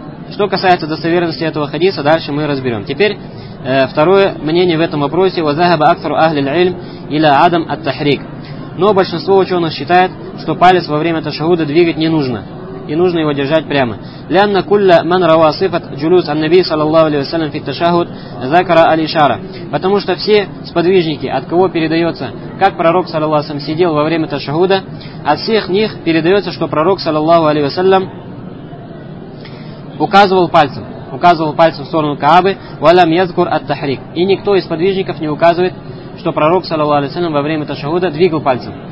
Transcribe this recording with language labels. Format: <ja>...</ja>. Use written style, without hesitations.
<ru>Что касается достоверности этого хадиса, дальше мы разберем. Теперь второе мнение в этом вопросе.</ru> <ar>وَذَهَبَ أَكْثَرُ أَهْلِ الْعِلْمِ إِلَىٰ عَدَمْ التَّحْرِيكِ.</ar> <ru>Но большинство ученых считает, что палец во время ташахуда двигать не нужно, и нужно его держать прямо.</ru> <ar>لأن كل من روى صفة جلوس النبي صلى الله عليه وسلم في التشهد ذكر الإشارة.</ar> <ru>Потому что все сподвижники, от кого передается, как пророк</ru> <ar>صلى الله عليه وسلم</ar> <ru>сидел во время ташахуда, от всех них передается, что пророк صلى الله عليه وسلم указывал пальцем в сторону Каабы,</ru> <ar>валям язгур ат-тахрик.</ar> <ru>И никто из сподвижников не указывает, что пророк, саллаллаху алейхи ва саллям, во время ташахуда двигал пальцем.</ru>